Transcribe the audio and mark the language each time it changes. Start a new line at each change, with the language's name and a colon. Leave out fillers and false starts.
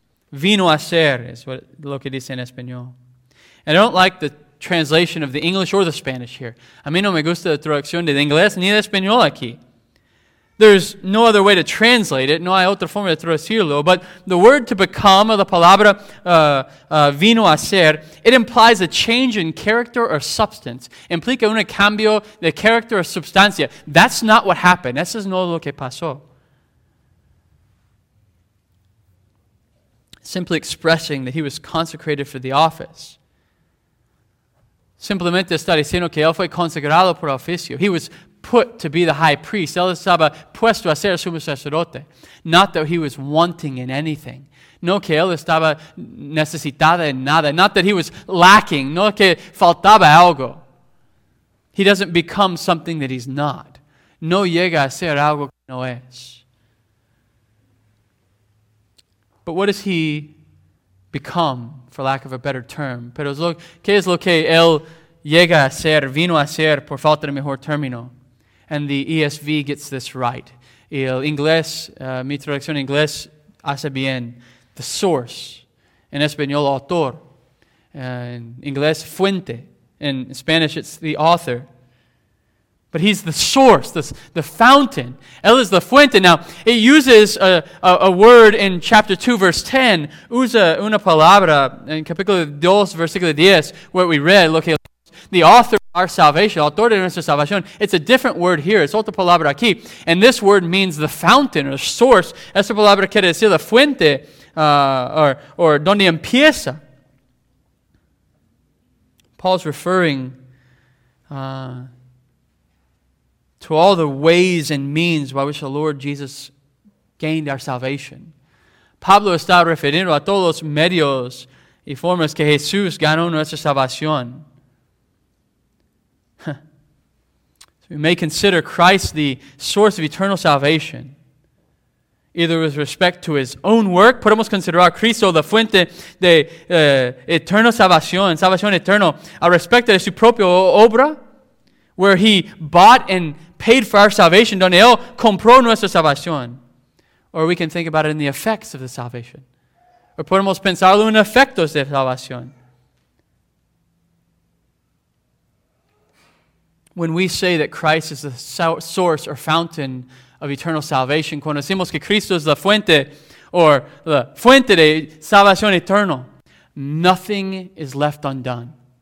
Spanish: Vino a ser is what lo que dice en español.
English: And I don't like the translation of the English or the Spanish here.
Spanish: A mí no me gusta la traducción de inglés ni de español aquí.
English: There's no other way to translate it.
Spanish: No hay otra forma de traducirlo.
English: But the word to become, or the
Spanish: palabra vino a ser,
English: it implies a change in character or substance.
Spanish: Implica un cambio de character or substancia.
English: That's not what happened.
Spanish: Eso es no lo que pasó.
English: Simply expressing that he was consecrated for the office.
Spanish: Simplemente está diciendo que él fue consagrado por oficio.
English: He was put to be the high priest.
Spanish: Él estaba puesto a ser sumo sacerdote.
English: Not that he was wanting in anything.
Spanish: No que él estaba necesitado en nada.
English: Not that he was lacking.
Spanish: No que faltaba algo.
English: He doesn't become something that he's not.
Spanish: No llega a ser algo que no es.
English: But what does he become, for lack of a better term?
Spanish: Pero ¿qué es lo que él llega a ser, vino a ser, por falta de mejor término?
English: And the ESV gets this right.
Spanish: El inglés, mi traducción en inglés, hace bien.
English: The source.
Spanish: En español, autor. En inglés, fuente.
English: In Spanish, it's the author. But he's the source, the fountain.
Spanish: Él es la fuente.
English: Now, it uses a word in chapter 2, verse 10.
Spanish: Usa una palabra en capítulo 2, versículo 10,
English: where we read,
Spanish: lo que
English: the author of our salvation,
Spanish: autor de nuestra salvación.
English: It's a different word here. It's
Spanish: otra palabra aquí.
English: And this word means the fountain or source.
Spanish: Esa palabra quiere decir la fuente or donde empieza.
English: Paul's referring to all the ways and means by which the Lord Jesus gained our salvation.
Spanish: Pablo está refiriendo a todos los medios y formas que Jesús ganó nuestra salvación.
English: So we may consider Christ the source of eternal salvation, either with respect to his own work.
Spanish: Podemos considerar a Cristo la fuente de eterna salvación, salvación eterna, al respecto de su propia obra,
English: where he bought and paid for our salvation,
Spanish: donde él compró nuestra salvación.
English: Or we can think about it in the effects of the salvation.
Spanish: Or podemos pensarlo en efectos de salvación.
English: When we say that Christ is the source or fountain of eternal salvation,
Spanish: cuando decimos que Cristo es la fuente or la fuente de salvación eterna,
English: nothing is left undone.